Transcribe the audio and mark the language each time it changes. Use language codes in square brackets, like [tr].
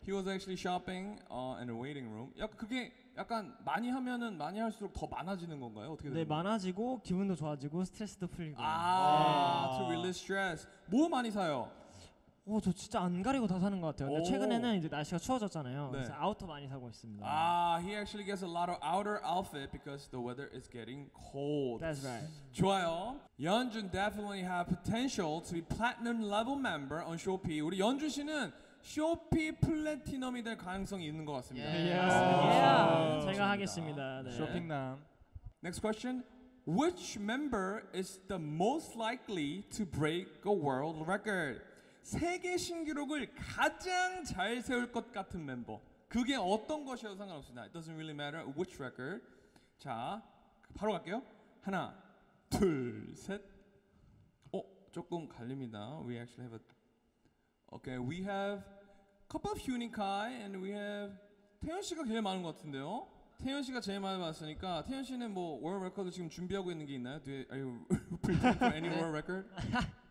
[en] He was actually shopping in a waiting room. [ko] 약간 그게 약간 많이 하면은 많이 할수록 더 많아지는 건가요? 어떻게 되는 네, 많아지고 기분도 좋아지고 스트레스도 풀리고. 아, 네. [en] to release stress. [ko] 뭐 많이 사요? 오, 저 진짜 안 가리고 다 사는 것 같아요. 근데 최근에는 이제 날씨가 추워졌잖아요. 네. 그래서 아우터 많이 사고 있습니다. [en] 아, he actually gets a lot of outer outfit because the weather is getting cold. That's right. 좋아요. 연준 definitely have potential to be platinum level member on 쇼피. [ko] 우리 연준 씨는 쇼피 플래티넘이 될 가능성이 있는 것 같습니다. 예. Yeah. Yeah. Yeah. 제가 하겠습니다. 네. 쇼핑남. [en] Next question. Which member is the most likely to break a world record? [ko] 세계 신기록을 가장 잘 세울 것 같은 멤버. 그게 어떤 것이어도 상관없습니다. [en] It doesn't really matter which record. [ko] 자, 바로 갈게요. 하나, 둘, 셋. 어, 조금 갈립니다. [en] We actually have a... Okay, we have couple of Hyunikai and we have... [ko] 태연 씨가 제일 많은 것 같은데요? 태연 씨가 제일 많이 봤으니까 태연 씨는 뭐 월 레코드 지금 준비하고 있는 게 있나요? [en] Do you, are you preparing for any world record?